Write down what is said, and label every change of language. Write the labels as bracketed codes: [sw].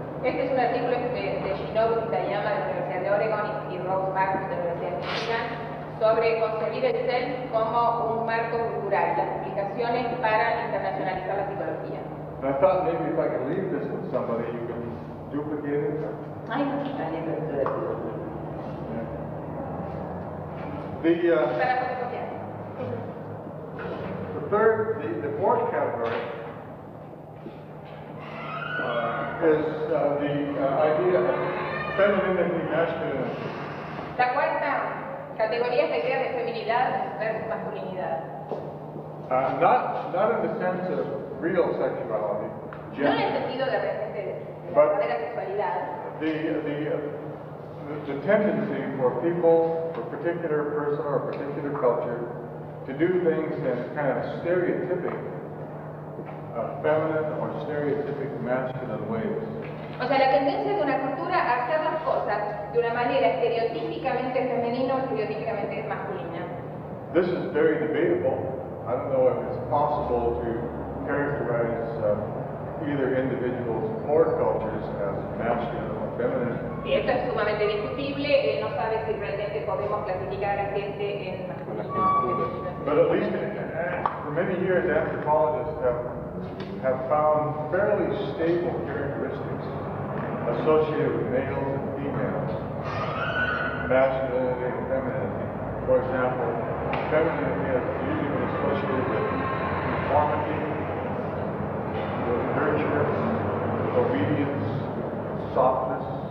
[es] Este es un artículo de Shinobu Kitayama de la Universidad de Oregon y Rose Marcus de la Universidad de Michigan sobre concebir el ser como un marco cultural, las implicaciones para internacionalizar la psicología. [en] I thought maybe if I could leave this with somebody, you can duplicate it. The fourth category is the idea of femininity masculinity. [es] La cuarta categoría es la idea de feminidad versus masculinidad. [en] Not in the sense of real sexuality, gender. [es] No en el sentido de la sexualidad. [en] The tendency for people, for a particular person or a particular culture, to do things in kind of stereotypic feminine or stereotypic masculine ways. [es] O sea, la tendencia de una cultura a hacer las cosas de una manera estereotípicamente femenina o estereotípicamente masculina. [en] This is very debatable. I don't know if it's possible to characterize either individuals or cultures as masculine. [es] Y esto es sumamente discutible, no sabe si realmente podemos clasificar a gente en masculino o femenino. [en] But at least for many years anthropologists have found fairly stable characteristics associated with males and females, masculinity and femininity. For example, femininity has usually been associated with conformity, with nurture, with obedience, softness,